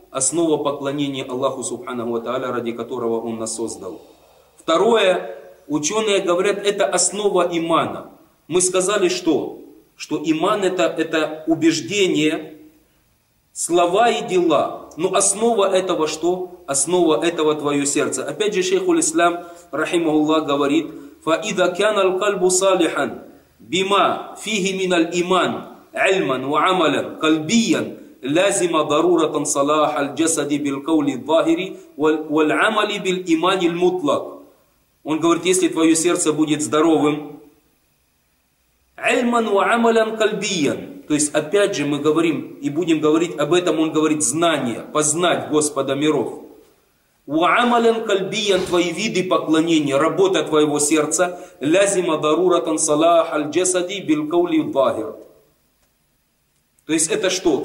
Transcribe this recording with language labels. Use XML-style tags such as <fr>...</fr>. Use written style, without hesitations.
<ru>Основа поклонения Аллаху Субханаху ва Тааля, ради которого Он нас создал. Второе, ученые говорят, это основа имана. Мы сказали, что иман это убеждение, слова и дела. Но основа этого что? Основа этого твое сердце. Опять же, шейхул Ислам, рахимахуллах, говорит,</ru> <ar>فَإِذَا كَانَ الْقَلْبُ صَالِحًا بِمَا فِيهِ مِنَ الْإِمَانِ عِلْمًا وَعَمَلًا قَلْبِيًا لازم ضرورة صلاح الجسد بالقول الظاهر والعمل بالإيمان المطلق.</ar> <ru>Он говорит, если твое сердце будет здоровым,</ru> <ar>علما وعملا قلبيا,</ar> <ru>То есть, опять же, мы говорим и будем говорить об этом, он говорит, знание, познать Господа миров.</ru> <ar>«Уамален кальбиян»</ar> <ru>— твои виды поклонения, работа твоего сердца,</ru> <ar>«лязима даруратан салах аль-джесади билькаули вагир».</ar> <ru>То есть это что?</ru>